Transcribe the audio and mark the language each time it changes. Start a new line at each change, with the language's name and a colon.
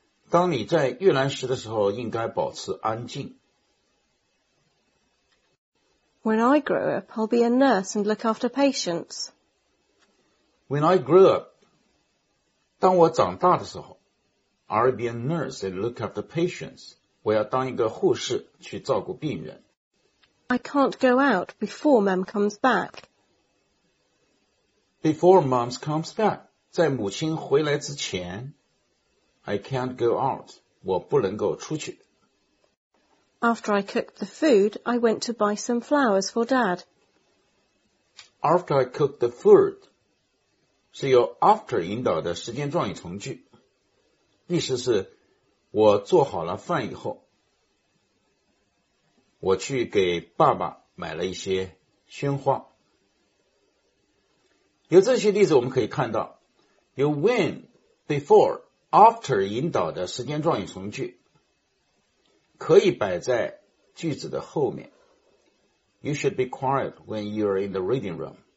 Chinese: 当你在阅览室的时候，应该保持安静。
English: When I grow up, I'll be a nurse and look after patients. When I grow up,
Chinese: 当我长大的时候
English: ，I'll be a nurse and look after patients.
Chinese: 我要当一个护士去照顾病人。
English: I can't go out before Mum comes back. Before mom comes back,
Chinese: 在母亲回来之前
English: I can't go out,
Chinese: 我不能够出去。
English: After I cooked the food, I went to buy some flowers for dad. After I cooked the food,
Chinese: 是由 after 引导的时间状语从句。意思是我做好了饭以后我去给爸爸买了一些鲜花。有这些例子我们可以看到有 when, before, after 引导的时间状语从句可以摆在句子的后面
English: You should be quiet when you are in the reading room